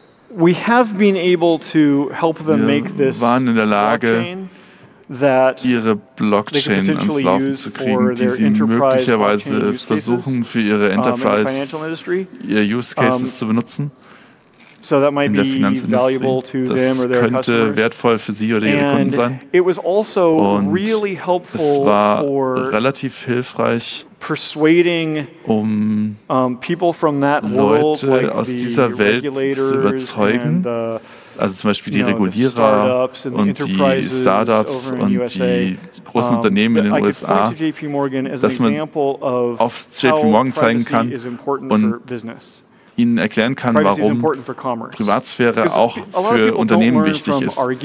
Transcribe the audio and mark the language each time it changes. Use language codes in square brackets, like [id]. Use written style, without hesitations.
[en] We have been able to help them make this [de] Blockchain ans Laufen zu kriegen, die sie möglicherweise versuchen, für ihre Enterprise, ihre Use Cases zu benutzen. [en] So that might be valuable to them or their customers. [de] Das könnte wertvoll für sie oder ihre Kunden sein. [en] It was also really helpful for [de] relativ hilfreich [en] persuading people from that world, [de] Leute aus dieser Welt zu überzeugen. Also zum Beispiel die Regulierer und die Startups und die großen Unternehmen in den USA, dass man auf JP Morgan zeigen kann und ihnen erklären kann, warum Privatsphäre auch für Unternehmen wichtig ist.